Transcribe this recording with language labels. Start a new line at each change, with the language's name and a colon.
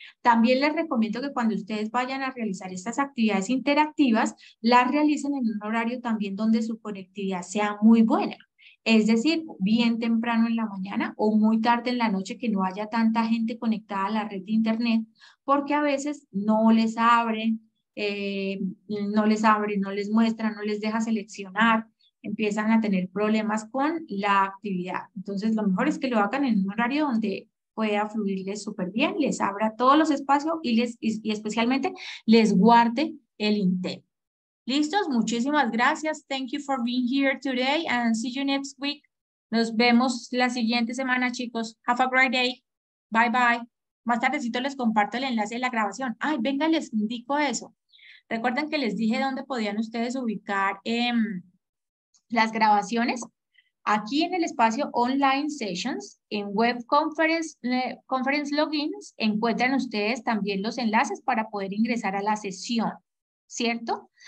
Spanish: También les recomiendo que cuando ustedes vayan a realizar estas actividades interactivas, las realicen en un horario también donde su conectividad sea muy buena, es decir, bien temprano en la mañana o muy tarde en la noche, que no haya tanta gente conectada a la red de internet, porque a veces no les abren, no les muestra, no les deja seleccionar, empiezan a tener problemas con la actividad. Entonces lo mejor es que lo hagan en un horario donde pueda fluirles súper bien, les abra todos los espacios y especialmente les guarde el intento. ¿Listos? Muchísimas gracias.
English: Thank you for being here today and see you next week.
Spanish: Nos vemos la siguiente semana, chicos.
English: Have a great day. Bye bye.
Spanish: Más tardecito les comparto el enlace de la grabación. Ay, venga, les indico eso. Recuerden que les dije dónde podían ustedes ubicar las grabaciones. Aquí en el espacio Online Sessions, en Web Conference Logins, encuentran ustedes también los enlaces para poder ingresar a la sesión, ¿cierto?